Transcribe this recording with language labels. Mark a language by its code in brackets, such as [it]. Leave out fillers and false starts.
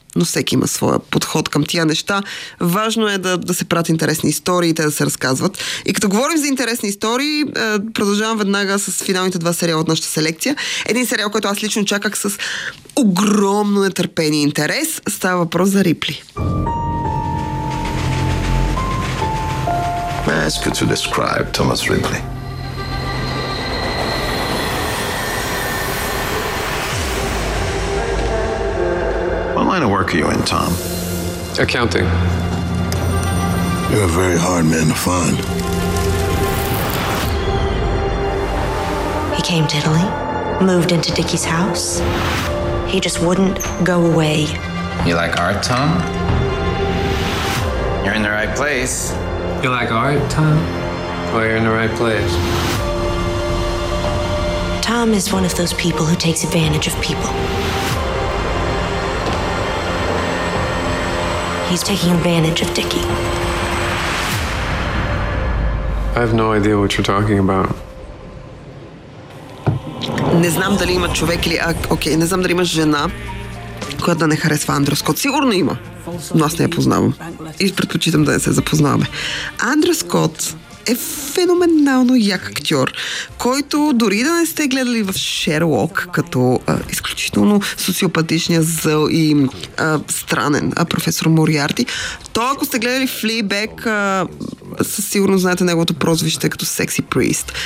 [bg] Но всеки има своя подход към тия неща. Важно е да се правят интересни истории и те да се разказват. И като говорим за интересни истории, продължавам веднага с финалните два сериала от нашата селекция. Един сериал, който аз лично чаках с огромно нетърпение и интерес. Става въпрос за Рипли. [en] May I ask you to describe Thomas Ripley? What line of work are you in, Tom? Accounting. You're a very hard man to find. He came to Italy, moved into Dickie's house. He just wouldn't go away. You like art, Tom? You're in the right place. You like art, Tom? Well, you're in the right place. Tom is one of those people who takes advantage of people. He's taking advantage of Dickie. I have no idea what you're talking about. [bg] Не знам дали има човек или... Окей, не знам дали има жена, която да не харесва Андрю Скот. Сигурно има. Но аз не я познавам. И предпочитам да не се запознаваме. Андрю Скот е феноменално як актьор, който дори да не сте гледали в Шерлок като изключително социопатичния зъл и странен професор Мориарти, то ако сте гледали Флибек, със сигурно знаете неговото прозвище като Секси Приест.